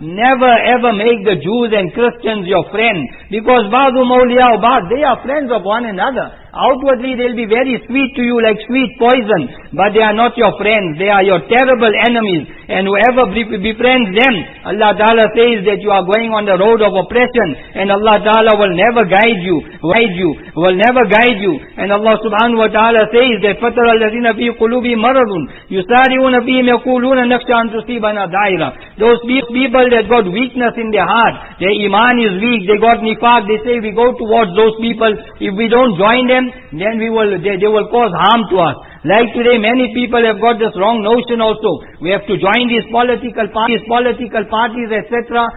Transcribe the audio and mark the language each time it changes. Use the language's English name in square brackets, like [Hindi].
[English] Never ever make the Jews and Christians your friend. Because [Arabic] بَعْضُهُمْ أَوْلِيَاءُ بَعْضٍ, [English] they are friends of one another. Outwardly they'll be very sweet to you like sweet poison, but they are not your friends, they are your terrible enemies. And whoever befriends them, Allah Ta'ala says that you are going on the road of oppression, and Allah Ta'ala will never guide you. And Allah Subhanahu Wa Ta'ala says that [Arabic] فَتَرَ الَّذِينَ فِي قُلُوبِ مَرَضٌ يُسَارِعُونَ فِيهِمْ يَقُولُونَ نَخْشَى أَن تُصِيبَنَا دَائِرَةٌ. [English] Those people that got weakness in their heart, their iman is weak, they got nifaq, they say we go towards those people, if we don't join them, then they will cause harm to us. Like today, many people have got this wrong notion also. We have to join these political parties, etc.